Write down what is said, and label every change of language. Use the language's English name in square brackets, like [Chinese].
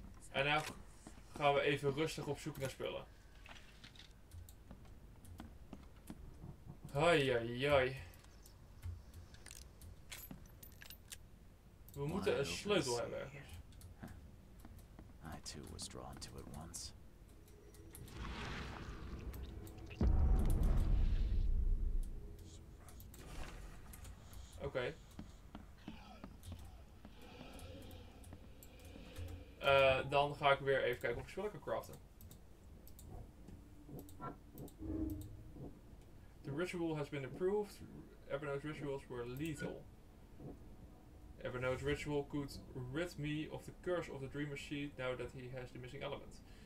[Dutch] En nu gaan we even rustig op zoek naar spullen. Hoi, hoi, hoi. We moeten een sleutel hebben. [English] I too was drawn to it once. [Dutch] Oké. Okay. Dan ga ik weer even kijken of ik spullen kan craften. [English] The ritual has been approved. Evernote rituals were lethal. Evernote ritual could rid me of the curse of the dreamer seed now that he has the missing element.